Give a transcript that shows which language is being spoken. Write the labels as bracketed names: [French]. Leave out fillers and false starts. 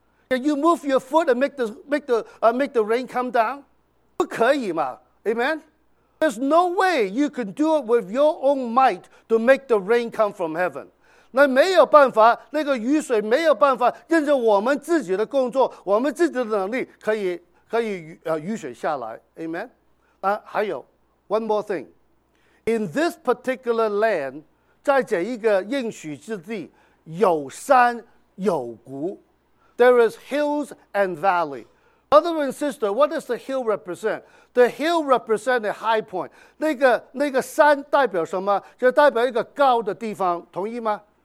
[English] Can you move your foot and make the rain come down? [Chinese] 不可以嘛 ，Amen. [English] There's no way you can do it with your own might to make the rain come from heaven. [Chinese] 那没有办法，那个雨水没有办法，跟着我们自己的工作，我们自己的能力可以雨水下来 ，Amen. 那还有 [English] one more thing. In this particular land, [Chinese] 在这一个应许之地，有山有谷。 [English] There is hills and valley. Brother and sister, what does the hill represent? The hill represents a high point. [Chinese] 那个山代表什么？就代表一个高的地方，同意吗？